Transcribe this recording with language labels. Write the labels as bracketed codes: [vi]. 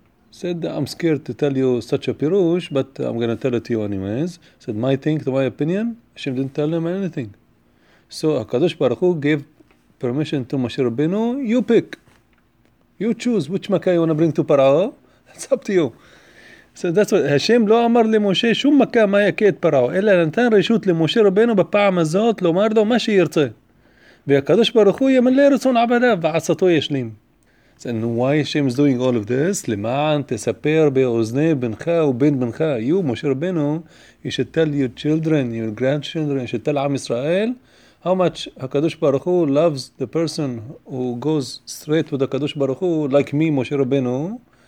[en] Said, "I'm scared to tell you such a pirush, but I'm going to tell it to you anyways." Said, "My think, my opinion, Hashem didn't tell him anything. So Kadosh Baruch Hu gave permission to Moshe Rabbeinu. You pick, you choose which Makkah you want to bring to Parao. It's up to you." So that's what Hashem [he] לא אמר למשה שום מכה מה יקה את פרעו, אלא נתן רשות למשה רבנו בפעם הזאת לומר לו מה שירצה. והקדוש ברוך הוא ימלא רצון עבדיו ועצתו ישלים. [en] And why Hashem is doing all of this? [he] למען תספר באוזני בנך ובן בנך. [en] You, משה רבנו, you should tell your children, your grandchildren, you should tell עם ישראל, how much הקדוש ברוך הוא loves the person who goes straight with הקדוש ברוך הוא, like me, משה רבנו.